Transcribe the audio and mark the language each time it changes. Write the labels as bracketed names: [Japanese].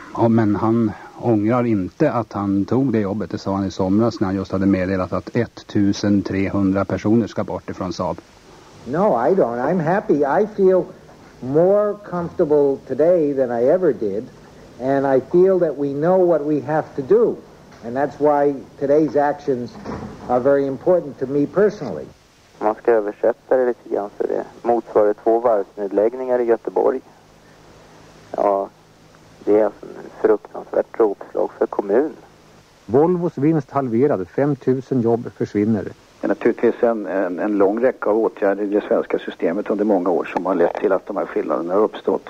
[Swedish] Men han ångrar inte att han tog det jobbet, det sa han i somras när han just hade meddelat att 1300 personer ska bort ifrån Saab. [English] No, I don't. I'm happy. I feel more comfortable today than I ever did. And I feel that we know what we have to do. And that's why today's actions are very important to me personally. [Swedish] Om man ska översätta det lite grann så det motsvarar 2 varvsnedläggningar i Göteborg. Ja, det är en fruktansvärt dråpslag för kommun. Volvos vinst halverad, 5000 jobb försvinner. Det är naturligtvis en lång räcka av åtgärder i det svenska systemet under många år som har lett till att de här skillnaderna har uppstått.